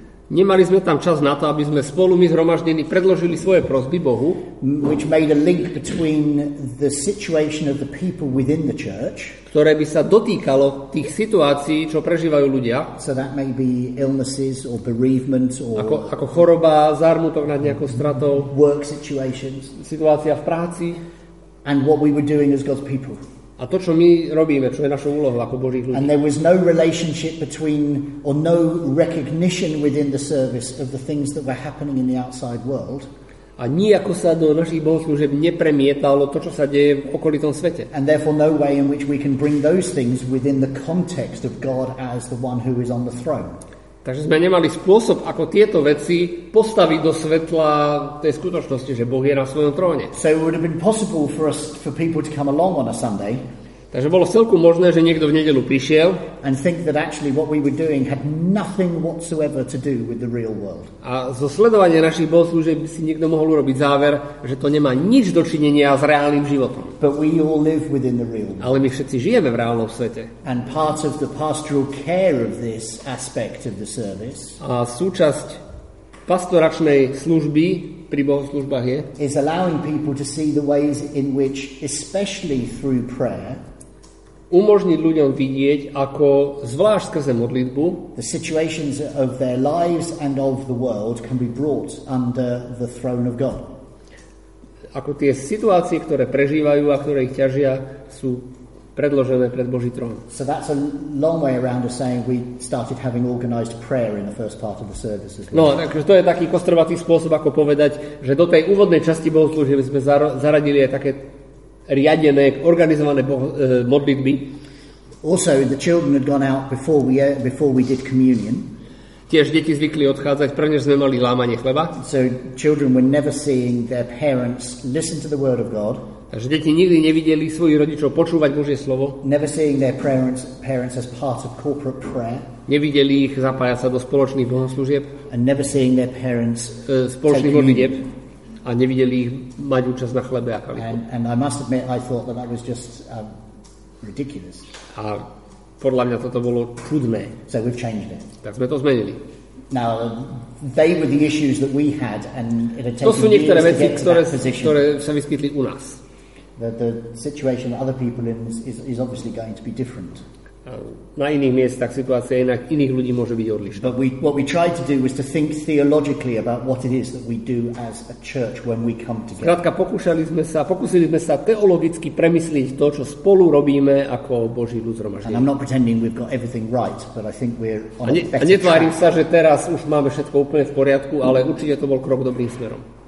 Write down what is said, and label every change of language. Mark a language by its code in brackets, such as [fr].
[sk] Nemali sme tam čas na to, aby sme spolu my zhromaždení predložili svoje prosby Bohu, [en] which made a link between the situation of the people within the church, [sk] ktoré by sa dotýkalo tých situácií, čo prežívajú ľudia. [en] So that may be illnesses or bereavement or [sk] ako choroba, zármutok nad nejakou stratou, [en] work situations, [sk] situácia v práci, [en] and what we were doing as God's people. [sk] A to, čo my robíme, čo je našou úlohou ako Božích ľudí. [en] And there was no relationship between or no recognition within the service of the things that were happening in the outside world. [sk] A nijako sa do našich bohoslúžeb nepremietalo to, čo sa deje v okolitom svete. [en] And therefore no way in which we can bring those things within the context of God as the one who is on the throne. [sk] Takže sme nemali spôsob, ako tieto veci postaviť do svetla tej skutočnosti, že Boh je na svojom tróne. [en] So it would have been possible for us, for people to come along on a Sunday. [sk] Takže bolo celku možné, že niekto v nedeľu prišiel. [en] And think that actually what we were doing had nothing whatsoever to do with the real world. [sk] A zo sledovania našich bohoslúžeb by si niekto mohol urobiť záver, že to nemá nič dočinenia s reálnym životom. [en] But we all live within the real world. [sk] Ale my všetci žijeme v reálnom svete. [en] And part of the pastoral care of this aspect of the service. [sk] A súčasť pastoračnej služby pri bohoslužbách je [en] is allowing people to see the ways in which especially through prayer [sk] umožniť ľuďom vidieť, ako zvlášť skrze modlitbu [en] the situations of their lives and of the world can be brought under the throne of God. [sk] Ako tie situácie, ktoré prežívajú a ktoré ich ťažia, sú predložené pred Boží trón. [en] So that's a long way around of saying we started having organized prayer in the first part of the service. [sk] No, takže to je taký kostrbatý spôsob, ako povedať, že do tej úvodnej časti bohoslúžby sme zaradili aj také riadené, organizované modlitby. [en] Also, the children had gone out before we did communion. [sk] Tiež deti zvykli odchádzať, prvne sme mali lámanie chleba. [en] So children were never seeing their parents listen to the word of God. [sk] Takže deti nikdy nevideli svojich rodičov počúvať Božie slovo. [en] Never seeing their parents as part of corporate prayer. [sk] Nevideli ich zapájať sa do spoločných bohoslúžieb. [en] And never seeing their parents [sk] spoločných modlitieb. A nevideli ich mať účasť na chlebe a kalichu. [en] And I must admit, I thought that was just ridiculous. [sk] A podľa mňa toto bolo čudné. [en] So we've changed it. [sk] Tak sme to zmenili. [en] Now, they were the issues that we had, and it had taken [sk] to sú niektoré [en] years [sk] veci, ktoré sa vyskytli u nás. [en] The situation other people in is obviously going to be different. [sk] Na iných miestach situácia inak, iných ľudí môže byť odlišná. [en] But what we tried to do was to think theologically about what it is that we do as a church when we come together. [sk] Krátka, pokúsili sme sa teologicky premysliť to, čo spolu robíme ako Boží ľud zhromaždený. [en] And I'm not pretending we've got everything right, but I think we're on a better track. [sk] A netvárim sa, že teraz už máme všetko úplne v poriadku, ale určite to bol krok dobrým smerom.